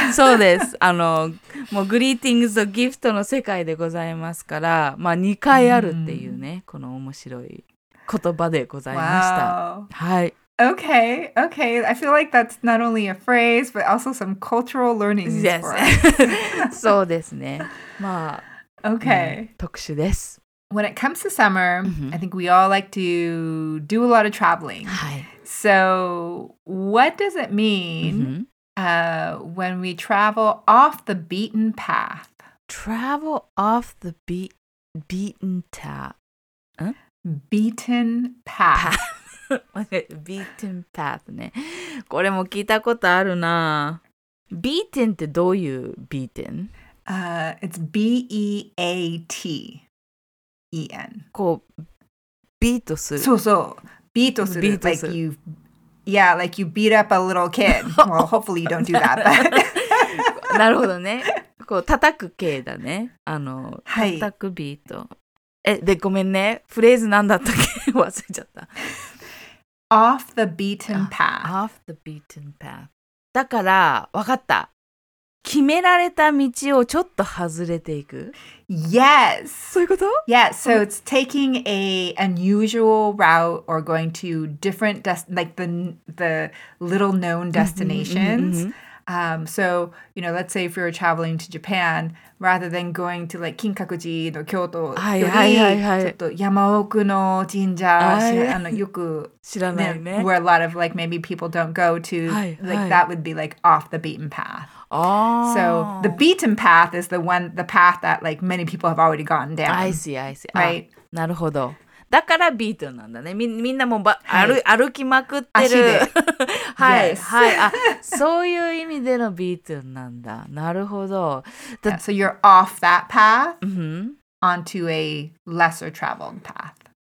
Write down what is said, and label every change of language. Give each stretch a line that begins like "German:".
Japanese: そうですあのもうグリーティングズとギフトの世界でございますから、まあ、2回あるっていうね、うん、この面白い言葉でございました、
English: wow.
Japanese: はい
English: Okay, okay I feel like that's not only a phrase but also some cultural learnings for us
Japanese: そうですねまあ
English: okay.
Japanese: ね特殊です
English: When it comes to summer、mm-hmm. I think we all like to do a lot of traveling、
Japanese: はい、
English: So what does it mean、mm-hmm. When we travel off the beaten path. Travel off the beaten path.、Huh? Beaten path.
Japanese: beaten path ね。これも聞いたことあるな。 Beaten ってどういう beaten?、
English: It's B-E-A-T-E-N.
Japanese: こう、ビートする。そうそう。ビートする。ビートする。
English: Like you've... Yeah, like you beat up a little kid. Well, hopefully you don't do that. But...
Japanese: なるほどね。こう叩く系だね。あの、はい、叩くビート。え、で、ごめんね。フレーズなんだったっけ忘れちゃった。
English: Off the beaten path. Off the beaten path.
Japanese: だから、わかった。決められた道をちょっと外れていく。
English: Yes.
Japanese: そういうこと?
English: Yeah. So it's taking a unusual route or going to different like the little known destinations. So you know, let's say if you're traveling to Japan, rather than going to like
Japanese: 金閣寺の京都より、はいはいはいはい、ちょっと山奥の神社、あのよく知らないね。
English: Where a lot of like maybe people don't go to, like that would be like off the beaten path. Oh. So the beaten path is the path that like many people have already gotten down. I see. Right?
Japanese: なるほど。だからビートなんだね。みんなもば、はい、歩きまくってる。足で。はい、はい。あ、そういう意味でのビートなんだ。なるほど。
English: Yeah, so you're off that path onto a lesser traveled path.